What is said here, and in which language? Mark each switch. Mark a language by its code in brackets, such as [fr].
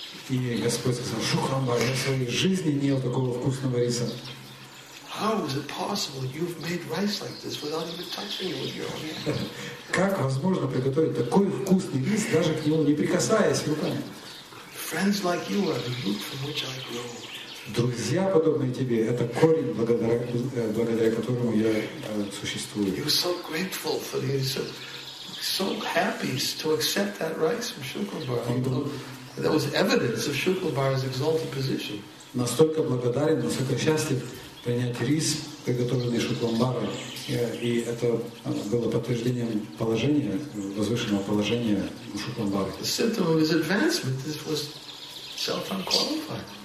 [ru] И Господь сказал, Шукламбара, я в своей жизни не ел такого вкусного риса. [en] How is it possible you've made rice like this without even touching it with your own hands? [ru] Как возможно приготовить такой вкусный рис, даже к нему не прикасаясь руками? [en] Friends like you are the root from which I grow. [ru] Друзья подобные тебе, это корень, благодаря которому я существую. [en] You're so grateful for the rice. So happy to accept that rice from Шукламбара. That was evidence of Shukambara's exalted position. [ru] Настолько благодарен, настолько счастлив принять рис, приготовленный Шукламбарой, и это было подтверждением положения, возвышенного положения Шукламбары. [en] The symptom of his advancement was self-unqualified.